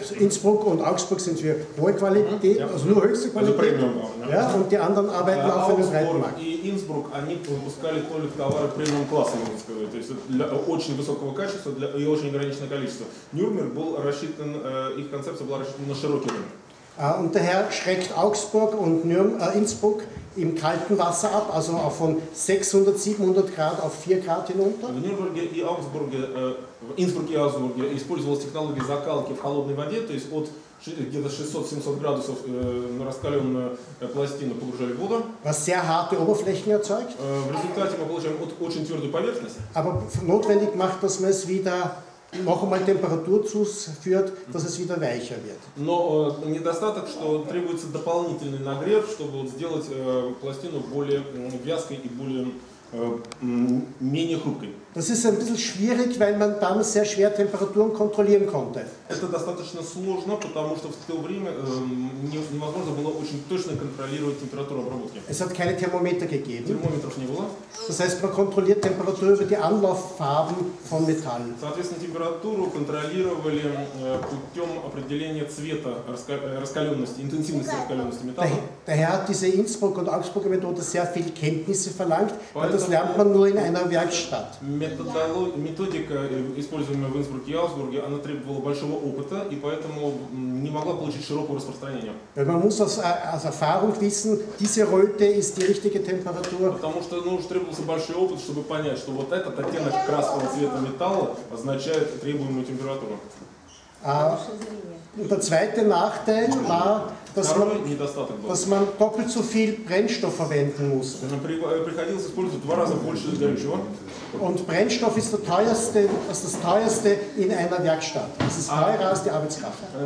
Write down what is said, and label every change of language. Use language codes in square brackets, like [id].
[de] Innsbruck und Augsburg sind für hohe Qualität, also nur höchste Qualität. Ja, und die anderen arbeiten auch für den breiten Markt. [ru] Innsbruck, они выпускали только товары премиум-класса, можно сказать, то есть для очень высокого качества для, и очень ограниченного количества. Нюрнберг был рассчитан, их концепция была рассчитана на широкий рынок. [de] Und daher schreckt Augsburg und Innsbruck im kalten Wasser ab, also auch von 600, 700 Grad auf 4 Grad hinunter. In Nürnberg und Augsburg, Innsbruck und Augsburg, [ru] использовалась технология закалки в холодной воде, то есть от где-то 600-700 градусов на раскаленную пластину погружали в воду. [de] Was sehr harte Oberflächen erzeugt. [ru] В результате мы получаем очень твердую поверхность. [de] Aber notwendig macht, dass man es wieder noch einmal Temperatur zuführt, dass es wieder weicher wird. [ru] Но недостаток, что требуется дополнительный нагрев, чтобы сделать пластину более вязкой и более менее хрупкой. [de] Das ist ein bisschen schwierig, weil man dann sehr schwer Temperaturen kontrollieren konnte. [ru] Это достаточно сложно, потому что в то время невозможно было очень точно контролировать температуру обработки. [de] Es hat keine Thermometer gegeben. [ru] Thermometров не было. [de] Das heißt, man kontrolliert Temperatur über die Anlauffarben von Metall. [ru] Соответственно, температуру контролировали путем определения цвета раскаленности, интенсивности раскаленности металла. [de] Daher hat diese Innsbruck und Augsburger Methode sehr viel Kenntnisse verlangt, weil das lernt man nur in einer Werkstatt. [ru] Методика, используемая в Инсбурге и Аусбурге, она требовала большого опыта и поэтому не могла получить широкого распространения. [de] Man muss aus Erfahrung wissen, diese Röte ist die richtige Temperatur. [ru] Потому что нужно требовался большой опыт, чтобы понять, что вот этот оттенок красного цвета металла означает требуемую температуру. [de] Und der zweite Nachteil war, dass man doppelt so viel Brennstoff verwenden musste. Und Brennstoff ist das teuerste in einer Werkstatt. Es ist teurer als die Arbeitskraft.